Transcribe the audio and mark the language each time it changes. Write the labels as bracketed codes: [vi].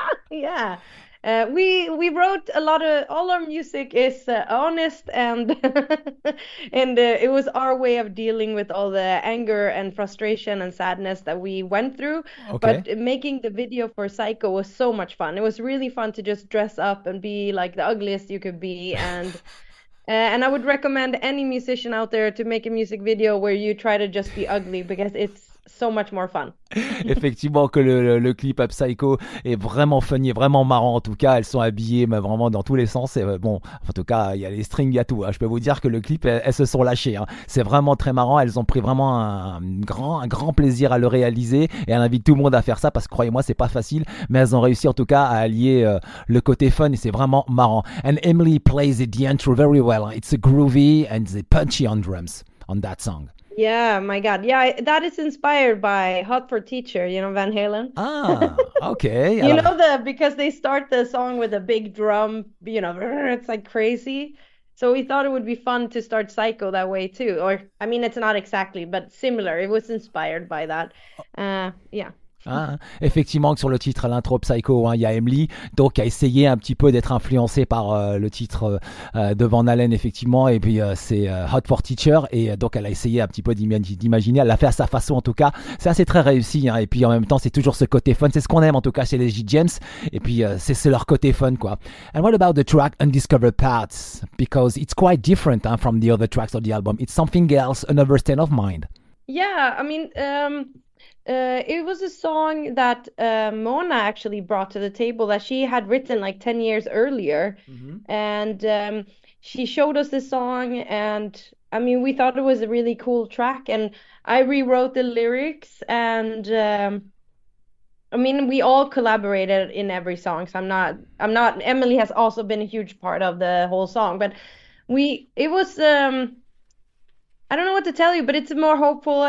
[en] Yeah, we wrote a lot of all our music is honest, and it was our way of dealing with all the anger and frustration and sadness that we went through. Okay. But making the video for Psycho was so much fun. It was really fun to just dress up and be like the ugliest you could be, and I would recommend any musician out there to make a music video where you try to just be ugly because it's so much more fun. [fr] Effectivement que le clip à Psycho est vraiment funny, vraiment marrant en tout cas, elles sont habillées mais vraiment dans tous les sens et bon, en tout cas il y a les strings, il y a tout, hein. Je peux vous dire que le clip, elles se sont lâchées, hein. C'est vraiment très marrant, elles ont pris vraiment un grand plaisir à le réaliser et elles invitent tout le monde à faire ça parce que croyez-moi c'est pas facile, mais elles ont réussi en tout cas à allier le côté fun et c'est vraiment marrant. [en] And Emily plays the intro very well, it's a groovy and the punchy on drums on that song. Yeah, my God. Yeah, that is inspired by Hot for Teacher, Van Halen. Ah, okay. You [fr] Alors. [en] know the because they start the song with a big drum, it's like crazy. So we thought it would be fun to start Psycho that way too. Or I mean, it's not exactly, but similar. It was inspired by that. Yeah. [fr] Hein, effectivement, que sur le titre, l'intro Psycho, hein, il y a Emily, donc qui a essayé un petit peu d'être influencé par le titre de Van Halen, effectivement, et puis c'est Hot for Teacher, et donc elle a essayé un petit peu d'imaginer, elle l'a fait à sa façon en tout cas, c'est assez très réussi, hein, et puis en même temps, c'est toujours ce côté fun, c'est ce qu'on aime en tout cas chez les G-James, et puis c'est leur côté fun, quoi. [en] And what about the track Undiscovered Paths? Because it's quite different, hein, from the other tracks of the album, it's something else, another state of mind. Yeah, I mean, it was a song that Mona actually brought to the table that she had written like 10 years earlier. Mm-hmm. And she showed us the song, and I mean, we thought it was a really cool track, and I rewrote the lyrics, and I mean, we all collaborated in every song, so Emily has also been a huge part of the whole song, but I don't know what to tell you, but it's more hopeful.